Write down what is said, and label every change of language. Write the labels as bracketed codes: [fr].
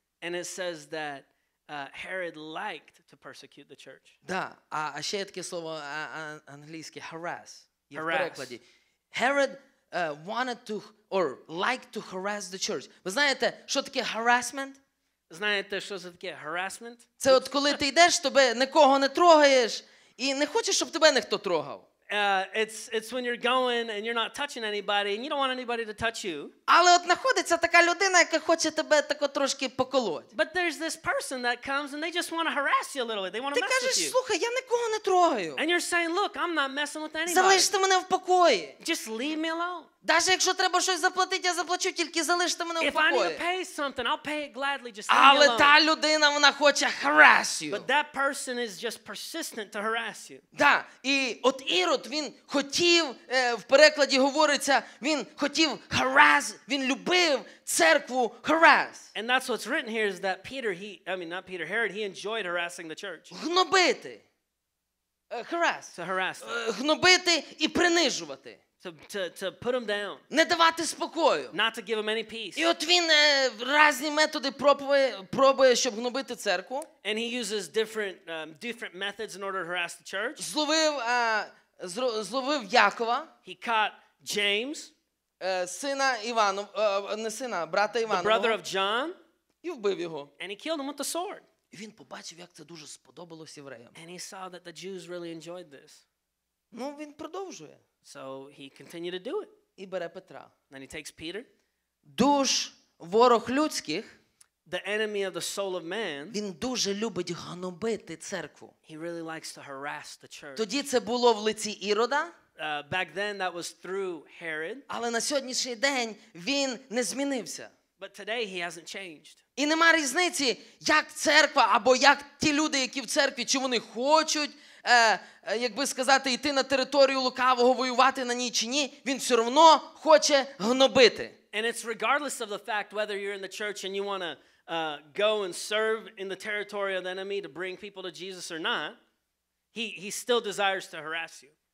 [en] And it says that Herod liked to persecute the church. [uk] Да, а ще є таке слово англійське harass. Є harass. В перекладі. [en] Herod wanted to or liked to harass the church. [uk] Ви знаєте, що таке harassment? Знаєте, що це таке harassment? Це от коли ти йдеш, тебе нікого не трогаєш і не хочеш, щоб тебе ніхто трогав. [en] It's when you're going and you're not touching anybody and you don't want anybody to touch you. [uk] Але от знаходиться така людина, яка хоче тебе тако трошки поколоть. [en] But there's this person that comes and they just want to harass you a little bit. They want to mess [uk] кажеш, Ти кажеш, слухай, я нікого не трогаю. [en] And you're saying, look, I'm not messing with anybody. [uk] Залиште мене в покої. [en] Just leave me alone. [uk] Даже якщо треба щось заплатити, я заплачу, тільки залиште мене в покої. [en] If I need to pay something, I'll pay it gladly, just leave me alone. [uk] Але та людина, вона хоче [en] harass you. But that person is just persistent to harass you. [uk] Да, і от Ірод, він хотів, в перекладі говориться, він хотів harass, він любив церкву harass. [en] And that's what's written here is that Herod, he enjoyed harassing the church. [uk] Гнобити. Harass. [en] To harass. [uk] Гнобити і принижувати. [en] To put him down. [uk] Не давати спокою. [en] Not to give him any peace. [uk] І от він різні методи пробує, щоб гнобити церкву. [en] And he uses different methods in order to harass the church. [uk] Зловив Якова. [en] He caught James. [uk] Сина Іванова, не сина, брата Іванова. [en] The brother of John. [uk] І вбив його. [en] And he killed him with the sword. [uk] І він побачив, як це дуже сподобалось євреям. [en] And he saw that the Jews really enjoyed this. [uk] Ну, він продовжує. [en] So he continued to do it. [uk] І бере Петра. [en] Then he takes Peter. [uk] Душ ворог людських. [en] The enemy of the soul of man. [uk] Він дуже любить гнобити церкву. [en] He really likes to harass the church. [uk] Тоді це було в лиці Ірода. [en] Back then that was through Herod. [uk] Але на сьогоднішній день він не змінився. [en] But today he hasn't changed. [uk] І нема різниці, як церква або як ті люди, які в церкві, чи вони хочуть якби сказати, йти на територію лукавого, воювати на ній чи ні, він все одно хоче гнобити. [en] And it's regardless of the fact whether you're in the church and you want to go and serve in the territory of the enemy to bring people to Jesus or not, he still desires to harass you.